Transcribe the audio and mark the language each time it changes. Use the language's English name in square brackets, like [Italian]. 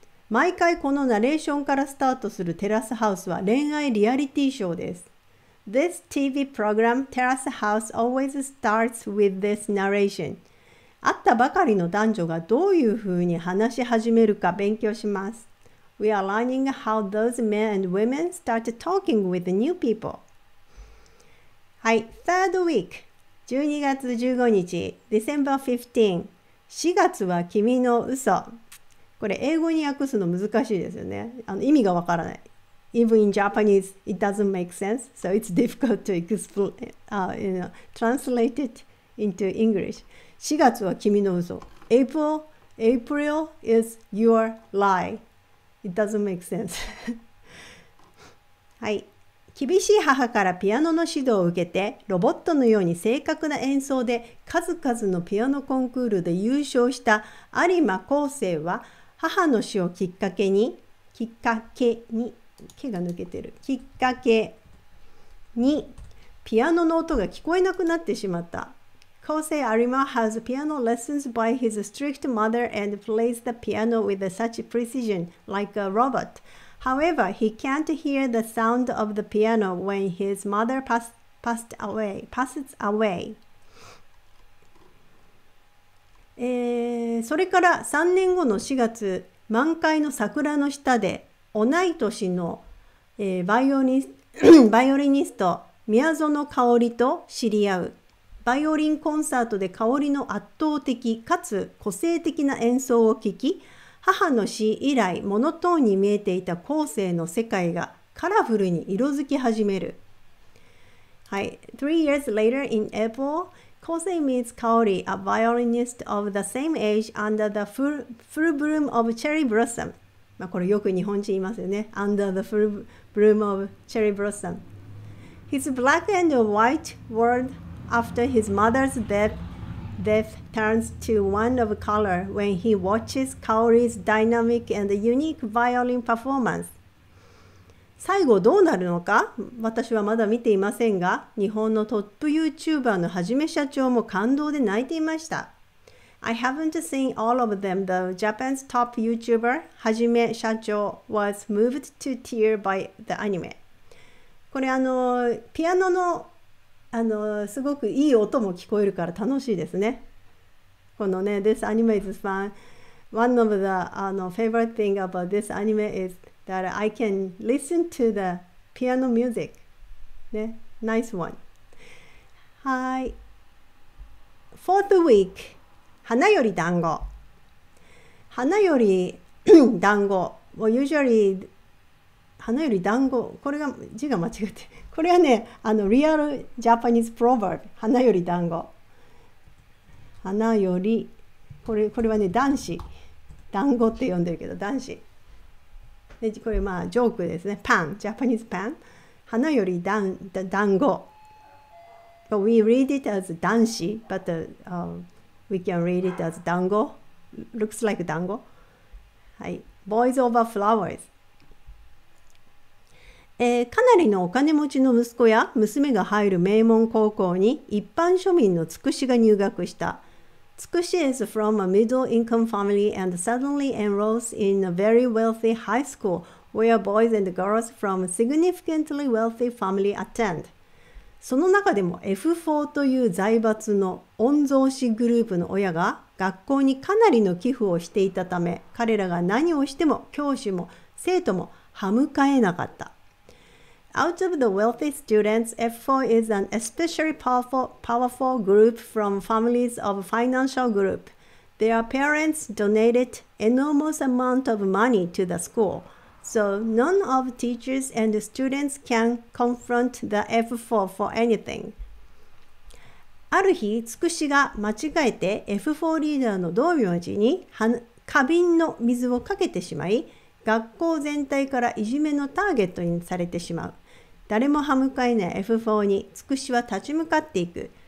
[Japanese] 毎回このナレーションからスタートするテラスハウスは恋愛リアリティショーです。 [English] This TV program, Terrace House, always starts with this narration. [Japanese] 会ったばかりの男女がどういうふうに話し始めるか勉強します。 [English] We are learning how those men and women start talking with the new people. はい、third week. [Japanese] 12月15日、 [English] December 15. [Japanese] 4月は君の嘘。これ英語に訳すの難しいですよね。意味がわからない。 [English] Even in Japanese, it doesn't make sense, so it's difficult to translate it into English. [Japanese] 4月は君の嘘。 [English] April is your lie. It doesn't make sense. [Japanese] はい。厳しい母からピアノの指導を受けて、ロボットのように正確な演奏で数々のピアノコンクールで優勝した有馬光生は、母の死をきっかけにピアノの音が聞こえなくなってしまった。 [English] Kosei Arima has piano lessons by his strict mother and plays the piano with such precision like a robot. However, he can't hear the sound of the piano when his mother passes away. [Japanese] それから3年後の4月、満開の桜の下で同い年の、バイオリニスト宮園香里と知り合う。バイオリンコンサートで香里の圧倒的かつ個性的な演奏を聞き、母の死以来モノトーンに見えていた後世の世界がカラフルに色づき始める。 [English] はい、 3 years later in AprilKosei meets Kaori, a violinist of the same age under the full bloom of cherry blossom. [Japanese] まあこれよく日本人言いますよね。 [English] Under the full bloom of cherry blossom. His black and white world after his mother's death turns to one of color when he watches Kaori's dynamic and unique violin performance. [Japanese] 最後どうなるのか、私はまだ見ていませんが、日本のトップ YouTuber のはじめしゃちょーも感動で泣いていました。 [English] I haven't seen all of them, though. Japan's top YouTuber, はじめしゃちょー was moved to tears by the anime. [Japanese] これピアノのすごくいい音も聞こえるから楽しいですね。このね、 [English] This anime is fun. One of the favorite thing about this anime isThat I can listen to the piano music. ね、nice one. はい。 Fourth week. [Japanese] 花より団子。花より団子。 [English] Well, usually, [Japanese] 花より団子。これが字が間違って。これはね、 [English] real Japanese proverb. [Japanese] 花より団子。花より、これはね、男子。団子って呼んでるけど、男子。でこれまあジョークですね。パン、ジャパニーズパン。花より団子。 [English] But we read it as 男子, but we can read it as 団子. Looks like 団子. はい。Boys over flowers. [Japanese] かなりのお金持ちの息子や娘が入る名門高校に一般庶民のつくしが入学した。 [English] つくし is from a middle-income family and suddenly enrolls in a very wealthy high school where boys and girls from a significantly wealthy family attend. [Japanese] その中でも F4 という財閥の御曹司グループの親が学校にかなりの寄付をしていたため、彼らが何をしても教師も生徒も歯向かえなかった。 [English] Out of the wealthy students, F4 is an especially powerful group from families of financial group. Their parents donated enormous amount of money to the school, so none of teachers and students can confront the F4 for anything. [Japanese] ある日、つくしが間違えて F4 リーダーの道明寺に花瓶の水をかけてしまい、学校全体からいじめのターゲットにされてしまう。誰も歯向かえない F4 につくしは立ち向かっていく。